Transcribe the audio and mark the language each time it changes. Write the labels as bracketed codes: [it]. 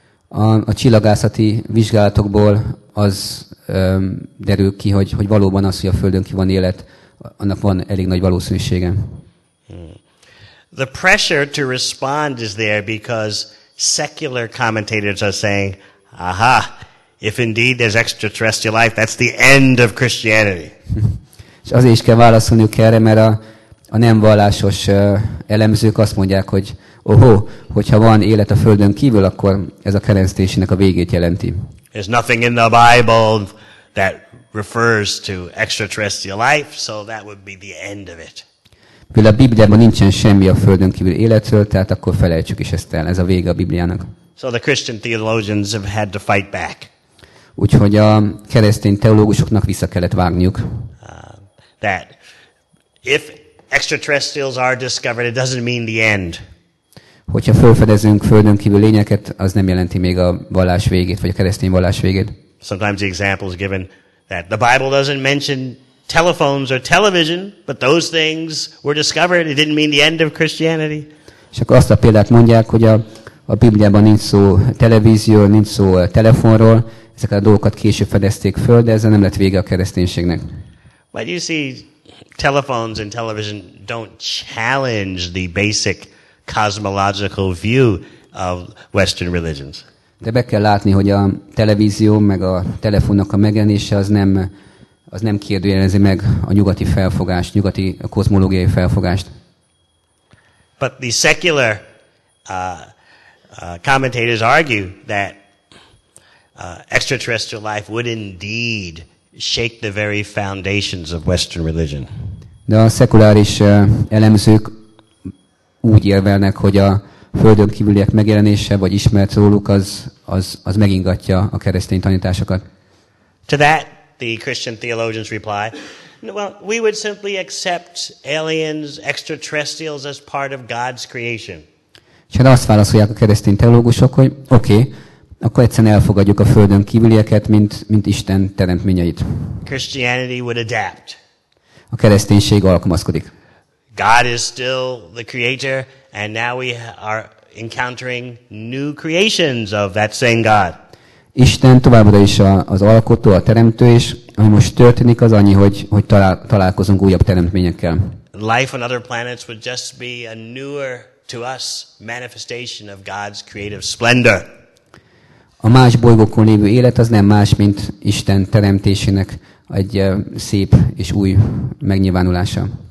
[hu] A csillagászati vizsgálatokból az derül ki, hogy valóban az, hogy a Földön ki van élet, annak van elég nagy valószínűsége. [en] The pressure to respond is there because secular commentators are saying, aha, if indeed there's extraterrestrial life, that's the end of Christianity. [hu] És azért is kell válaszolniuk erre, mert a nem vallásos elemzők azt mondják, hogy oho, hogyha van élet a Földön kívül, akkor ez a kereszténységnek a végét jelenti. [en] There's nothing in the Bible that refers to extraterrestrial life, so that would be the end of it. [hu] Mivel a Bibliában nincsen semmi a Földön kívül életről, tehát akkor felejtsük is ezt el. Ez a vége a Bibliának. [en] So the Christian theologians have had to fight back. [hu] Úgyhogy a keresztény teológusoknak vissza kellett vágniuk. [en] That if extraterrestrials are discovered, it doesn't mean the end. [hu] Hogyha felfedezünk Földön kívül lényeket, az nem jelenti még a vallás végét, vagy a keresztény vallás végét. [en] Sometimes the example is given that the Bible doesn't mention telephones or television, but those things were discovered. It didn't mean the end of Christianity. [hu] És akkor azt a példát mondják, hogy a Bibliában nincs szó televízió, nincs szó telefonról. Ezeket a dolgokat később fedezték föl, de ezzel nem lett vége a kereszténységnek. [en] But you see, telephones and television don't challenge the basic cosmological view of Western religions. [hu] De be kell látni, hogy a televízió meg a telefonnak a megjelenése az nem kérdőjelezi meg a nyugati felfogást, nyugati kozmológiai felfogást. [en] But the secular commentators argue that extraterrestrial life would indeed shake the very foundations of Western religion. [hu] De a szekuláris elemzők úgy érvelnek, hogy a Földön kívüliek megjelenése, vagy ismert róluk, az megingatja a keresztény tanításokat. [en] To that, the Christian theologians reply, well, we would simply accept aliens, extraterrestrials as part of God's creation. [hu] És azt válaszolják a keresztény teológusok, hogy okay, akkor egyszerűen elfogadjuk a Földön kívülieket, mint Isten teremtményeit. [en] Christianity would adapt. [hu] A kereszténység alkalmazkodik. [en] God is still the creator, and now we are encountering new creations of that same God. [hu] Isten továbbra is az alkotó, a teremtő, és ami most történik, az annyi, hogy találkozunk újabb teremtményekkel. [en] Life on other planets would just be a newer to us manifestation of God's creative splendor. [hu] A más bolygókon lévő élet az nem más, mint Isten teremtésének egy szép és új megnyilvánulása.